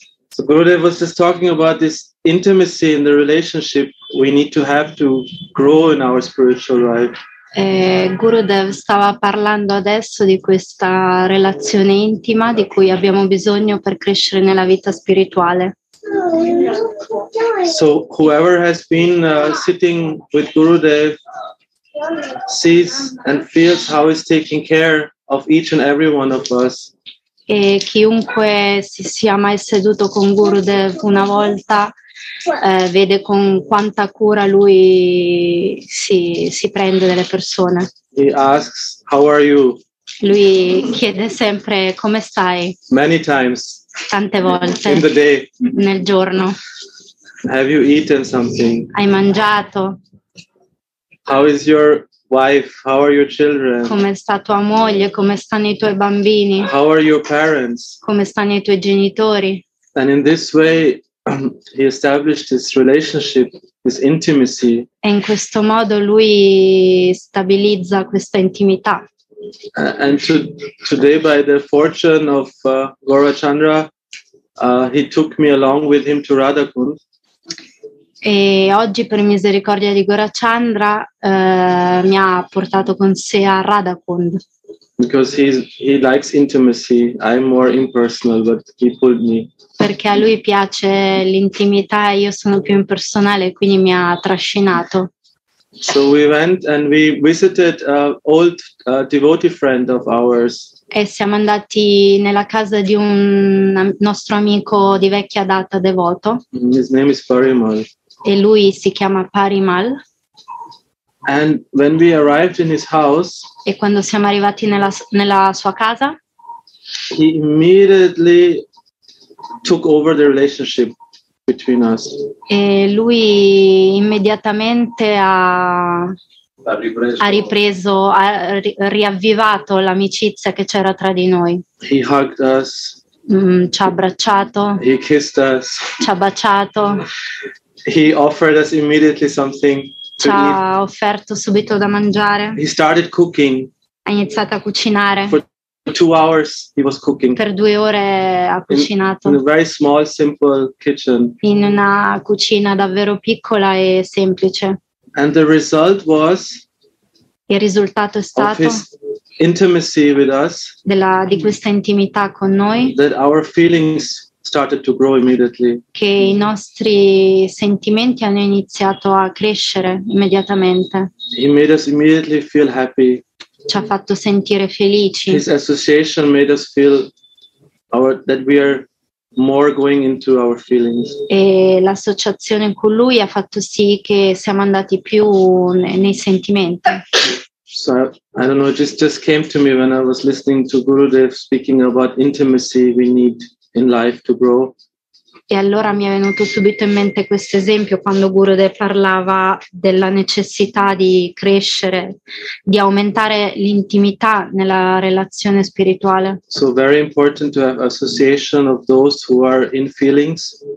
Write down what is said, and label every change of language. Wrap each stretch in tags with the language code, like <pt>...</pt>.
<en>So Gurudev was just talking about this intimacy in the relationship we need to have to grow in our spiritual life.</en> <it>Gurudev stava parlando adesso di questa relazione intima di cui abbiamo bisogno per crescere nella vita spirituale.</it> <en>So whoever has been sitting with Gurudev sees and feels how he's taking care of each and every one of us.</en> <it>E chiunque si sia mai seduto con Gurudev una volta vede con quanta cura lui si prende delle persone.</it> <en>He asks, "How are you?"</en> <it>Lui chiede sempre come stai.</it> <en>Many times.</en> <it>Tante volte.</it> <en>In the day.</en> <it>Nel giorno.</it> <en>Have you eaten something?</en> <it>Hai mangiato?</it> <en>How is your wife? How are your children?</en> <it>Come sta tua moglie? Come stanno i tuoi bambini?</it> <en>How are your parents?</en> <it>Come stanno i tuoi genitori?</it> <en>And in this way. He established this relationship, this intimacy.</en> <it>E in questo modo lui stabilizza questa intimità.</it> <en>And today, by the fortune of Gaurachandra, he took me along with him to Radhakund.</en> <it>E oggi, per misericordia di Gaurachandra, mi ha portato con sé a Radhakund.</it> <en>Because he likes intimacy. I'm more impersonal, but he pulled me.</en> <it>Perché a lui piace l'intimità e io sono più impersonale, quindi mi ha trascinato.</it> <en>So we went and we visited an old devotee friend of ours.</en> <it>E siamo andati nella casa di un nostro amico di vecchia data, devoto.</it> <en>His name is Parimal.</en> <it>E lui si chiama Parimal.</it> <en>And when we arrived in his house,</en> <it>e quando siamo arrivati nella sua casa,</it> <en>he immediately took over the relationship between us.</en> <it>E lui immediatamente ha riavvivato l'amicizia che c'era tra di noi.</it> <en>He hugged us.</en> <it>Ci ha abbracciato.</it> <en>He kissed us.</en> <it>Ci ha baciato.</it> <en>He offered us immediately something.</en> <it>Ci ha offerto subito da mangiare.</it> <en>He started cooking.</en> <it>Ha iniziato a cucinare.</it> <en>For 2 hours he was cooking.</en> <it>Per 2 ore ha cucinato.</it> <en>In a very small, simple kitchen.</en> <it>In una cucina davvero piccola e semplice.</it> <en>And the result was.</en> <it>Il risultato è stato.</it> <en>Of his intimacy with us.</en> <it>Di questa intimità con noi.</it> <en>That our feelings. Started to grow immediately.</en> <it>Che i nostri sentimenti hanno iniziato a crescere immediatamente.</it> <en>He made us immediately feel happy.</en> <it>Ci ha fatto sentire felici.</it> <en>His association made us feel that we are more going into our feelings.</en> <it>E l'associazione con lui ha fatto sì che siamo andati più nei sentimenti.</it> <en>So I don't know, just came to me when I was listening to Gurudev speaking about intimacy we need. In life to grow.</en> <it>E allora mi è venuto subito in mente questo esempio quando Gurudev parlava della necessità di crescere, di aumentare l'intimità nella relazione spirituale.</it> <en>So very important to have association of those who are in feelings.</en>